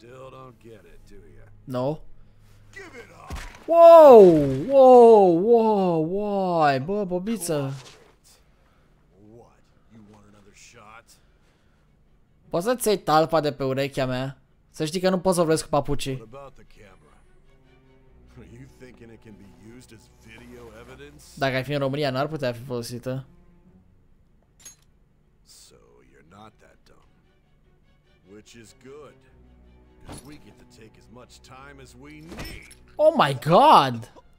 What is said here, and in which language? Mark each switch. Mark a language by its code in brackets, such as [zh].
[en] don't get it, do you? No. Give it up. Wow, wow, wow, why? [ro] Bă, bobiță. [en] What? You want another shot? [ro] Poți să-ți iei talpa de pe urechea mea? Să știi că nu pot să vorbesc cu papucii. [en] What about the camera? Are you thinking it can be used as video evidence? [ro] Dacă ai fi în România, n-ar putea fi folosită. [en] So you're not that dumb. Which is good. Because we get to take as much time as we need. Oh my god!